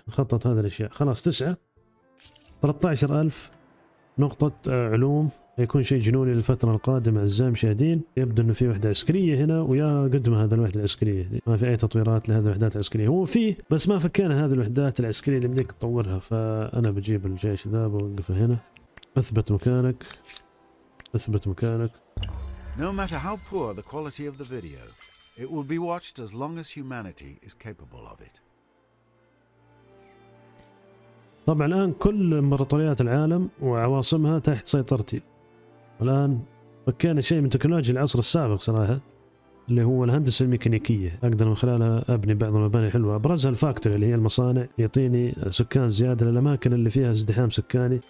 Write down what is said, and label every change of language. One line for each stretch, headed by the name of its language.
Arabic: نخطط هذه الاشياء خلاص. 9 13,000 نقطة علوم يكون شيء جنوني للفترة القادمة اعزائي المشاهدين. يبدو انه في وحدة عسكرية هنا ويا قدمة هذا الوحدة العسكرية. ما في اي تطويرات لهذه الوحدات العسكرية. هو في بس ما فكينا هذه الوحدات العسكرية اللي بدك تطورها. فانا بجيب الجيش ذا بوقفه هنا. اثبت مكانك اثبت مكانك.
English: No matter how poor the quality of the video, it will be watched as long as humanity is capable of it.
Arabic: طبعا الان كل امبراطوريات العالم وعواصمها تحت سيطرتي. الآن فكينا شيء من تكنولوجيا العصر السابق صراحة اللي هو الهندسة الميكانيكية. أقدر من خلالها أبني بعض المباني الحلوة أبرزها الفاكتوري اللي هي المصانع. يعطيني سكان زيادة للأماكن اللي فيها ازدحام سكاني.